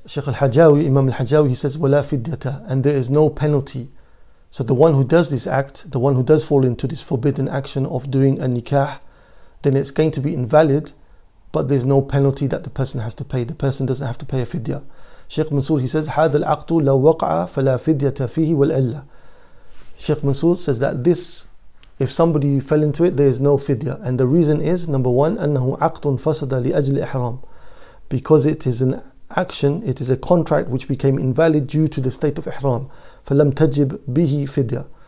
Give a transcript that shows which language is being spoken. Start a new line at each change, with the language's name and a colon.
English: Sheikh al-Hajawi, Imam al-Hajawi, he says,
Arabic: وَلَا فِدْيَةَ,
English: and there is no penalty. So the one who does this act, the one who does fall into this forbidden action of doing a nikah, then it's going to be invalid, but there's no penalty that the person has to pay. The person doesn't have to pay a fidya. Sheikh Mansour, he says,
Arabic: هَذَا الْعَقْدُ لَوْ وَقْعَ فَلَا فِدْيَةَ فِيهِ وَالْعِلَّةِ.
English: Sheikh Mansour says that this, if somebody fell into it, there is no fidya. And the reason is, number one,
Arabic: أَنَّهُ عَقْدٌ فَسَدَ لِأَجْلِ إِحْرَامِ.
English: Because it is an action, it is a contract which became invalid due to the state of ihram.
Arabic: فَلَمْ تَجِبْ بِهِ فِدْيَةٌ.